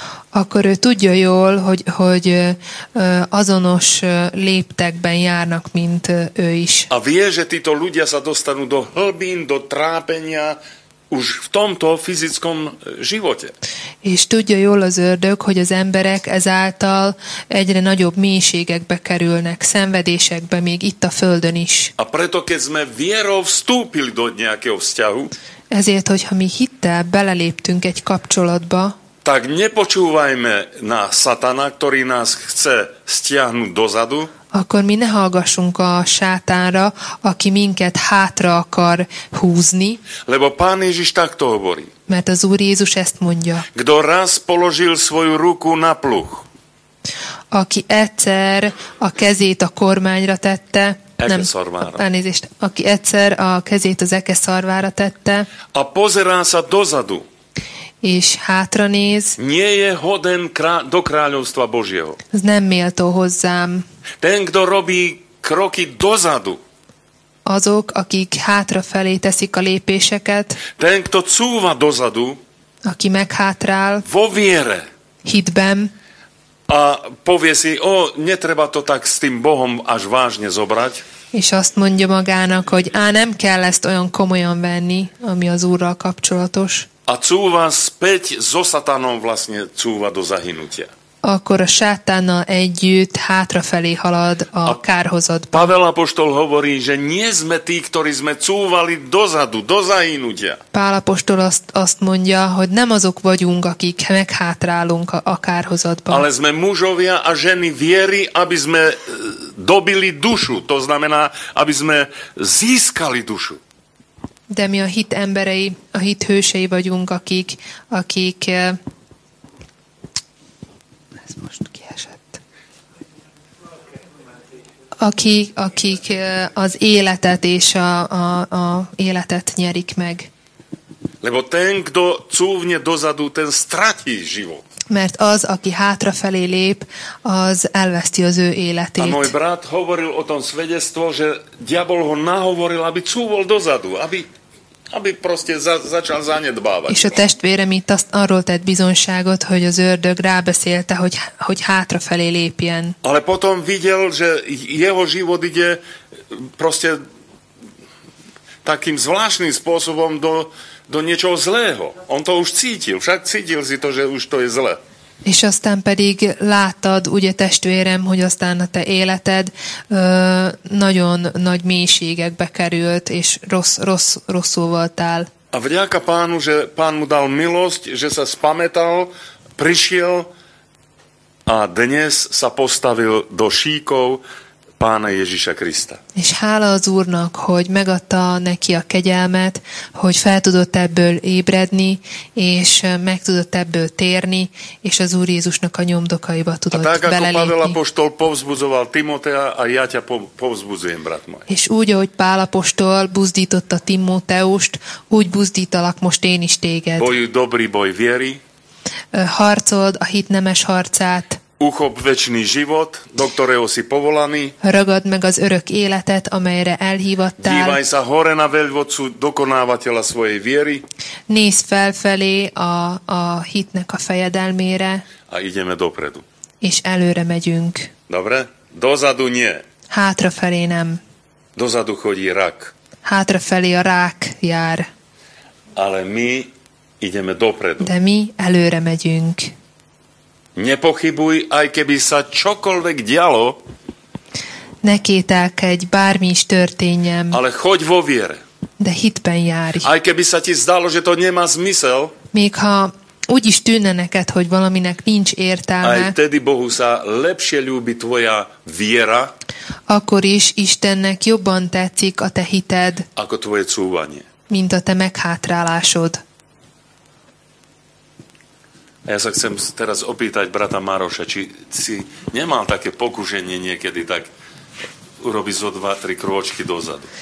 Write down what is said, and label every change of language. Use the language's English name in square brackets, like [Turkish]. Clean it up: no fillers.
[Hungarian] Akkor ő tudja jól, hogy azonos léptekben járnak, mint ő is. [Slovak] A vie, že títo ľudia sa dostanú do hlbín, do trápenia, už v tomto fyzickom živote. [Hungarian] És tudja jól az ördög, hogy az emberek ezáltal egyre nagyobb mélységekbe kerülnek, szenvedésekbe, még itt a földön is. [Slovak] A preto, keď sme vierou vstúpili do nejakého vzťahu, [Hungarian] Ezért, hogyha mi hittel beleléptünk egy kapcsolatba, [Slovak] tak nepočúvajme na satana, ktorý nás chce stiahnuť dozadu, [Hungarian] akkor mi ne hallgassunk a sátánra, aki minket hátra akar húzni. [Slovak] Lebo Pán Ježiš takto hovorí. [Hungarian] Mert az Úr Jézus ezt mondja. [Slovak] Kdo raz položil svoju ruku na pluh. [Hungarian] Aki egyszer a kezét a kormányra tette. Ekeszarvára. Elnézést. Aki egyszer a kezét az ekeszarvára tette. [Slovak] A pozerán sa dozadu. [Hungarian] És hátra néz. [Slovak] Nie je hoden do kráľovstva Božieho. [Hungarian] Ez nem méltó hozzám. [Slovak] Ten, kdo robí kroky dozadu. [Hungarian] Azok, akik hátrafelé teszik a lépéseket. [Slovak] Ten, kto cúva dozadu. [Hungarian] Aki meghátrál. [Slovak] Vo viere. [Hungarian] Hitben. [Slovak] A povie si, o, netreba to tak s tým Bohom až vážne zobrať. [Hungarian] És azt mondja magának, hogy á, nem kell ezt olyan komolyan venni, ami az Úrral kapcsolatos. [Slovak] A cúva späť so satánom vlastne cúva do zahynutia. [Hungarian] Akkor a sátánnal együtt hátrafelé halad a kárhozatba. [Slovak] Pavel apoštol hovorí, že nie sme tí, ktorí sme cúvali dozadu, do zahynutia. [Hungarian] Pál apoštol azt mondja, hogy nem azok vagyunk, akik meghátrálunk a kárhozatba. [Slovak] Ale sme mužovia a ženy viery, aby sme dobili dušu. To znamená, aby sme získali dušu. [Hungarian] De mi a hit emberei, a hit hősei vagyunk, akik ez most kiesett. Akik az életet és a életet nyerik meg. [Slovak] Lebo ten, kdo cúvne dozadu, ten stratí život. [Hungarian] Mert az, aki hátrafelé lép, az elveszti az ő életét. [Slovak] A môj brat hovoril o tom svedectvo, že diabol ho nahovoril, aby cúvol dozadu, aby proste začal zanedbávať. [Hungarian] És a testvérem itt azt arról tett bizonságot, hogy az ördög rábeszélte, hogy hátrafelé lépjen. [Slovak] Ale potom videl, že jeho život ide proste takým zvláštnym spôsobom do niečoho zlého. On to už cítil, však cítil si to, že už to je zlé. [Hungarian] És aztán pedig láttad, ugye testvérem, hogy aztán a te életed nagyon nagy mélységekbe került, és rosszul voltál. [Slovak] A vďaka pánu, že pán mu dal milosť, že sa spametal, prišiel a dnes sa postavil do šíkov Pána Ježiša Krista. [Hungarian] És hála az Úrnak, hogy megadta neki a kegyelmet, hogy fel tudott ebből ébredni, és meg tudott ebből térni, és az Úr Jézusnak a nyomdokaiba tudott belelépni. [Slovak] A tak, ako Pavel apoštol povzbudzoval Timotea, a ja ťa povzbudzujem, brat môj. [Hungarian] És úgy, ahogy Pál apoštol buzdította Timóteust, úgy buzdítalak most én is téged. [Slovak] Bojuj dobrý boj viery. [Hungarian] Harcold a hitnemes harcát. [Slovak] Uchop večný život, do ktorého si povolaný. [Hungarian] Ragad meg az örök életet, amelyre elhívattál. [Slovak] Dívaj sa hore na veľvodcu dokonávateľa svojej viery. [Hungarian] Nézz felfelé a hitnek a fejedelmére. [Slovak] A ideme dopredu. [Hungarian] És előre megyünk. [Slovak] Dobre? Dozadu nie. [Hungarian] Hátrafelé nem. [Slovak] Dozadu chodí rak. [Hungarian] Hátrafelé a rák jár. [Slovak] Ale my ideme dopredu. [Hungarian] De mi előre megyünk. [Slovak] Nepochybuj, aj keby sa čokoľvek dialo. [Hungarian] Ne kételkedj, bármi is történjem. [Slovak] Ale choď vo viere. [Hungarian] De hitben járj. [Slovak] Aj keby sa ti zdalo, že to nemá zmysel. [Hungarian] Még ha úgy is tűnne neked, hogy valaminek nincs értelme. [Slovak] Aj tedy Bohu sa lepšie ľúbi tvoja viera. [Hungarian] Akkor is Istennek jobban tetszik a te hited. [Slovak] Ako tvoje cúvanie. [Hungarian] Mint a te meghátrálásod. [Slovak] Ja sa chcem teraz opýtať brata Maroša, či si nemal také pokušenie niekedy tak urobiť zo 2-3 krôčky dozadu.